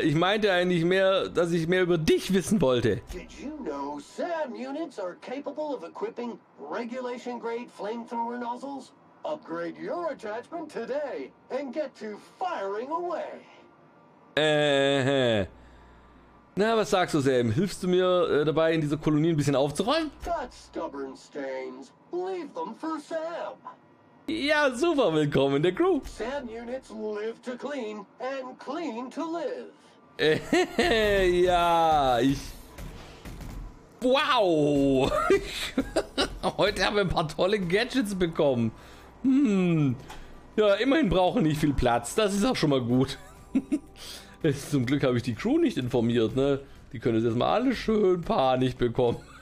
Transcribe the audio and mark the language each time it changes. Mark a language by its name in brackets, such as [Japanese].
[German] Ich meinte eigentlich mehr, dass ich mehr über dich wissen wollte. [English] Did you know SAM units are capable of equipping regulation grade flamethrower nozzles? Upgrade your attachment today and get to firing away. [German] Na, was sagst du, Sam? Hilfst du mir dabei, in dieser Kolonie ein bisschen aufzuräumen? [English] That's stubborn stains. Leave them for Sam. [German] Ja, super. Willkommen in der Crew. [English] Sam units live to clean and clean to live. [German] Ja, ich... Wow! Heute haben wir ein paar tolle Gadgets bekommen. Ja, immerhin brauchen nicht viel Platz. Das ist auch schon mal gut. Zum Glück habe ich die Crew nicht informiert, ne? Die können jetzt mal alle schön panisch bekommen.